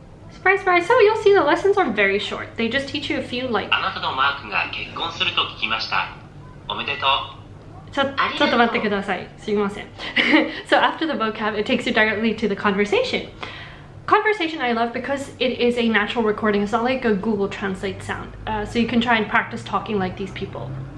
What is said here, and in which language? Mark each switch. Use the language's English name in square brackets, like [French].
[English] Surprise, surprise. So you'll see the lessons are very short. They just teach you a few, like... [Japanese] あなたのマークが結婚すると聞きました。おめでとう。ちょっと待ってください。すみません。 [English] So after the vocab, it takes you directly to the conversation. Conversation I love because it is a natural recording. It's not like a Google Translate sound. So you can try and practice talking like these people.